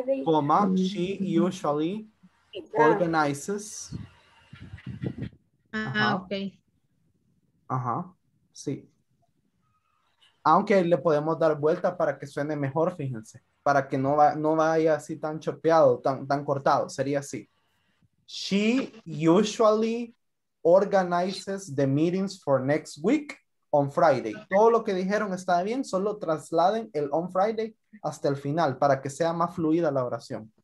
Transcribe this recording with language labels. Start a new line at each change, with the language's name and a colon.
English: Coma, she usually organizes. Ah, ok.
Spanish: Ajá, sí. Aunque le podemos dar vuelta para que suene mejor, fíjense. Para que no vaya así tan chopeado, tan cortado, sería así.
English: She usually organizes the meetings for next week on Friday.
Spanish: Todo lo que dijeron está bien, solo trasladen el
English: on Friday
Spanish: hasta el final para que sea más fluida la oración.